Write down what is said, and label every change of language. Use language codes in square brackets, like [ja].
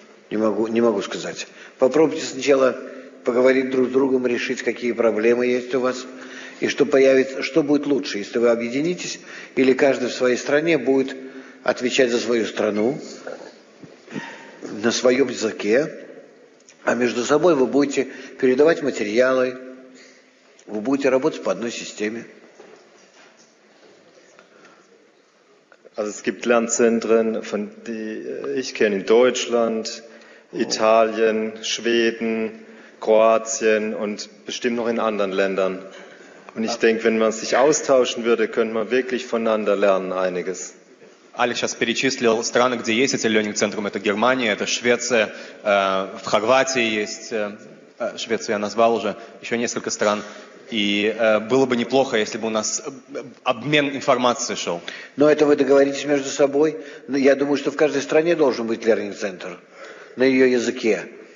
[ru] Не могу сказать. Попробуйте сначала поговорить друг с другом, решить, какие проблемы есть у вас, и что появится, что будет лучше, если вы объединитесь, или каждый в своей стране будет отвечать за свою страну на своем языке, а между собой вы будете передавать материалы, вы будете работать по одной системе. [de] Also es gibt Lernzentren, von die ich kenne in Deutschland, Italien, Schweden, Kroatien und bestimmt noch in anderen Ländern. Und ich denke, wenn man sich austauschen würde, könnte man wirklich voneinander lernen einiges. [ru] Алекс сейчас перечислил страны, где есть эти learning-центры. Это Германия, это Швеция, в Хорватии есть, Швецию я назвал уже, еще несколько стран. И было бы неплохо, если бы у нас обмен информацией шел. Но это вы договоритесь между собой. Я думаю, что в каждой стране должен быть learning-центр на ее языке.